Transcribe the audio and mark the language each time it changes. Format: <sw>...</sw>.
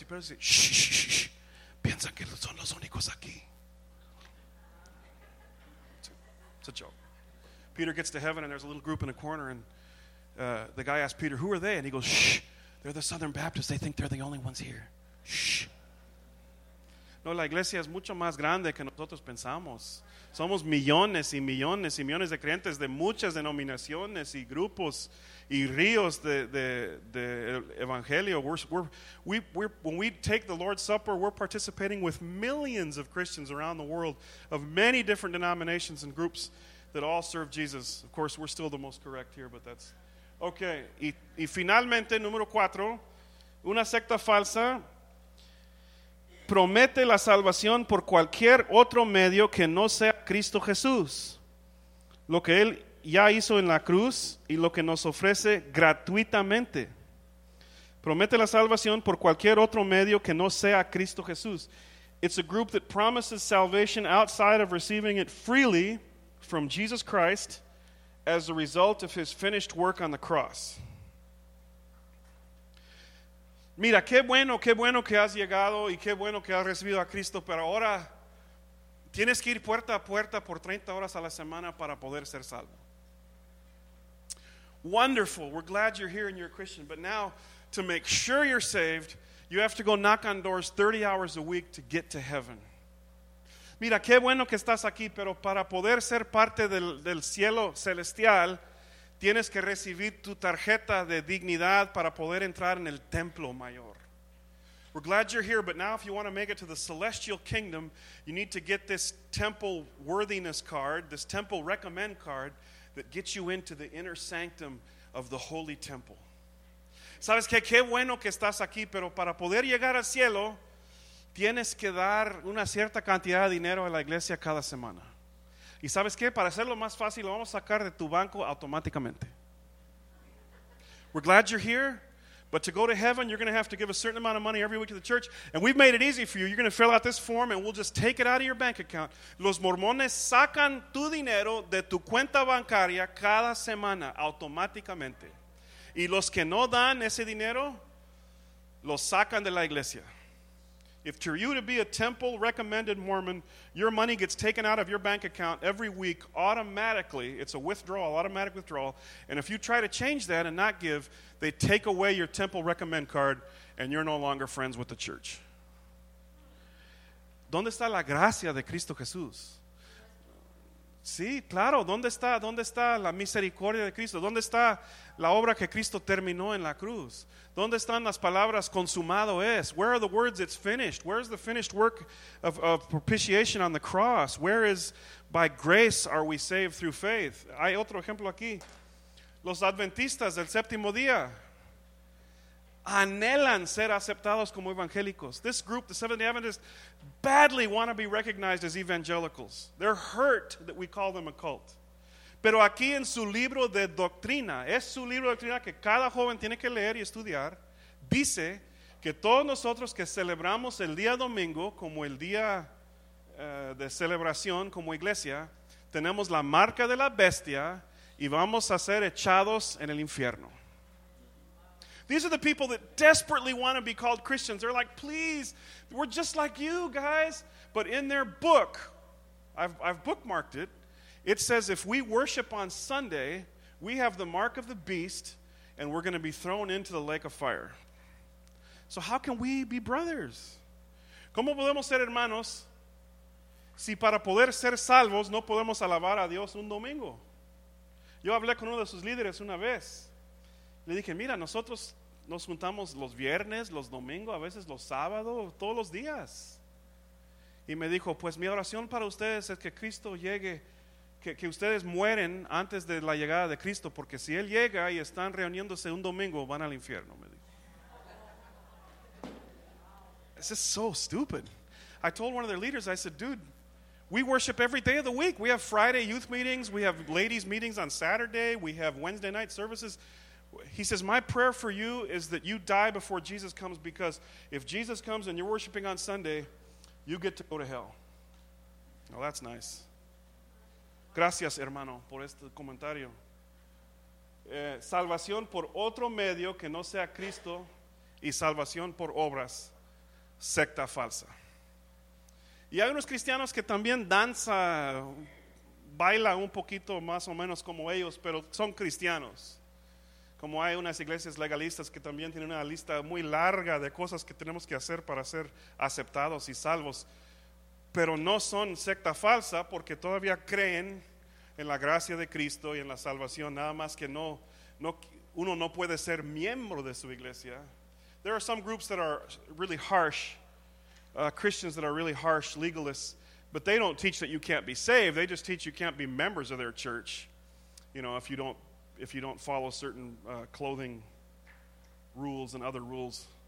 <es>Y Pedro dice, shh, shh, shh, piensa que son los únicos aquí.</es> <en>It's a joke. Peter gets to heaven and there's a little group in a corner and the guy asks Peter, who are they? And he goes, shh, they're the Southern Baptists. They think they're the only ones here. Shh.</en> <es>No, la iglesia es mucho más grande que nosotros pensamos. Somos millones y millones y millones de creyentes de muchas denominaciones y grupos y ríos de evangelio.</es> <en>When we take the Lord's Supper, we're participating with millions of Christians around the world of many different denominations and groups that all serve Jesus. Of course, we're still the most correct here, but that's...</en> <es>Okay, y finalmente, número cuatro, una secta falsa promete la salvación por cualquier otro medio que no sea Cristo Jesús, lo que Él ya hizo en la cruz y lo que nos ofrece gratuitamente. Promete la salvación por cualquier otro medio que no sea Cristo Jesús.</es> <en>It's a group that promises salvation outside of receiving it freely from Jesus Christ as a result of His finished work on the cross.</en> <es>Mira, qué bueno que has llegado y qué bueno que has recibido a Cristo, pero ahora tienes que ir puerta a puerta por 30 horas a la semana para poder ser salvo.</es> <en>Wonderful, we're glad you're here and you're a Christian, but now to make sure you're saved, you have to go knock on doors 30 hours a week to get to heaven.</en> <es>Mira, qué bueno que estás aquí, pero para poder ser parte del cielo celestial, tienes que recibir tu tarjeta de dignidad para poder entrar en el templo mayor.</es> <en>We're glad you're here, but now if you want to make it to the celestial kingdom, you need to get this temple worthiness card, this temple recommend card that gets you into the inner sanctum of the holy temple.</en> <es>¿Sabes qué? Qué bueno que estás aquí, pero para poder llegar al cielo, tienes que dar una cierta cantidad de dinero a la iglesia cada semana. Y sabes qué, para hacerlo más fácil, lo vamos a sacar de tu banco automáticamente.</es> <en>We're glad you're here, but to go to heaven, you're going to have to give a certain amount of money every week to the church, and we've made it easy for you. You're going to fill out this form, and we'll just take it out of your bank account.</en> <es>Los mormones sacan tu dinero de tu cuenta bancaria cada semana automáticamente. Y los que no dan ese dinero, lo sacan de la iglesia.</es> <en>If for you to be a temple recommended Mormon, your money gets taken out of your bank account every week automatically. It's a withdrawal, automatic withdrawal. And if you try to change that and not give, they take away your temple recommend card and you're no longer friends with the church.</en> <es>¿Dónde está la gracia de Cristo Jesús? Sí, claro. ¿Dónde está la misericordia de Cristo? ¿Dónde está la obra que Cristo terminó en la cruz? ¿Dónde están las palabras consumado es?</es> <en>Where are the words it's finished? Where is the finished work of propitiation on the cross? Where is by grace are we saved through faith?</en> <es>Hay otro ejemplo aquí. Los adventistas del séptimo día anhelan ser aceptados como evangélicos.</es> <en>This group, the Seventh-day Adventists, badly want to be recognized as evangelicals. They're hurt that we call them a cult.</en> <es>Pero aquí en su libro de doctrina, es su libro de doctrina que cada joven tiene que leer y estudiar, dice que todos nosotros que celebramos el día domingo como el día de celebración como iglesia, tenemos la marca de la bestia y vamos a ser echados en el infierno.</es> <en>These are the people that desperately want to be called Christians. They're like, please, we're just like you guys. But in their book, I've bookmarked it, it says if we worship on Sunday, we have the mark of the beast and we're going to be thrown into the lake of fire. So how can we be brothers?</en> <es>¿Cómo podemos ser hermanos si para poder ser salvos no podemos alabar a Dios un domingo? Yo hablé con uno de sus líderes una vez. Le dije, mira, nosotros nos juntamos los viernes, los domingos, a veces los sábados, todos los días. Y me dijo, pues mi oración para ustedes es que Cristo llegue, que ustedes mueren antes de la llegada de Cristo, porque si Él llega y están reuniéndose un domingo, van al infierno, me dijo.</es> <en>This is so stupid. I told one of their leaders, I said, dude, We worship every day of the week. We have Friday youth meetings. We have ladies meetings on Saturday. We have Wednesday night services. He says, my prayer for you is that you die before Jesus comes, because if Jesus comes and you're worshiping on Sunday, you get to go to hell. Well, that's nice.</en> <es>Gracias, hermano, por este comentario. Salvación por otro medio que no sea Cristo y salvación por obras, secta falsa. Y hay unos cristianos que también danza, baila un poquito más o menos como ellos, pero son cristianos. Como hay unas iglesias legalistas que también tienen una lista muy larga de cosas que tenemos que hacer para ser aceptados y salvos, pero no son secta falsa porque todavía creen en la gracia de Cristo y en la salvación, nada más que no uno no puede ser miembro de su iglesia.</es> <en>There are some groups that are really harsh, Christians that are really harsh legalists, but they don't teach that you can't be saved. They just teach you can't be members of their church, you know, if you don't follow certain clothing rules and other rules.</en>